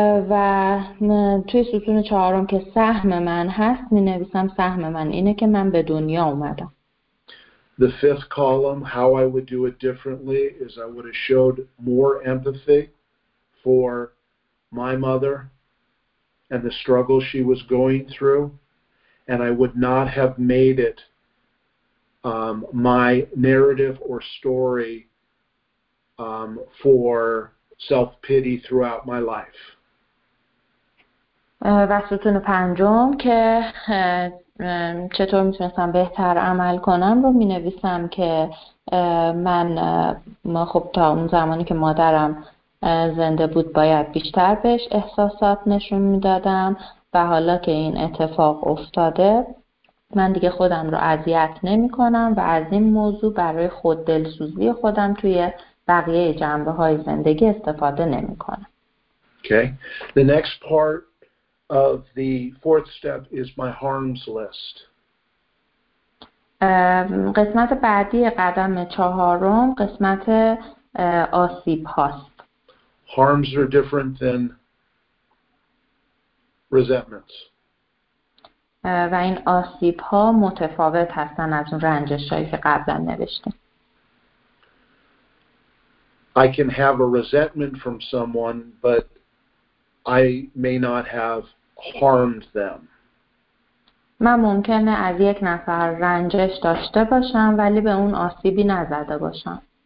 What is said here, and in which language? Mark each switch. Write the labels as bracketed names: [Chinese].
[Persian] و توی ستون چهارم که سهم من هست می نویسم سهم من اینه که من به دنیا اومدم. [English] The fifth column, how I would do it differently, is I would have showed more empathy for my mother and the struggle she was going through, and I would not have made it my narrative or story for self-pity throughout my life. [Persian] وستون پنجم که چطور میتونستم بهتر عمل کنم رو می نویسم که من خب تا اون زمانی که مادرم زنده بود باید بیشتر بهش احساسات نشون می دادم و حالا که این اتفاق افتاده من دیگه خودم رو اذیت نمی کنم و از این موضوع برای خود دلسوزی خودم توی بقیه جنبه های زندگی استفاده نمی کنم. [English] Okay. The next part of the fourth step is my harms list. [Persian] قسمت بعدی قدم چهارم قسمت آسیب هاست. [English] Harms are different than resentments. [Persian] و این آسیب ها متفاوت هستن از اون رنجش هایی که قبلا نوشتیم. [English] I can have a resentment from someone, but I may not have harmed them. [Persian] من ممکنه از یک نفر رنجش داشته باشم ولی به اون آسیبی نزده باشم.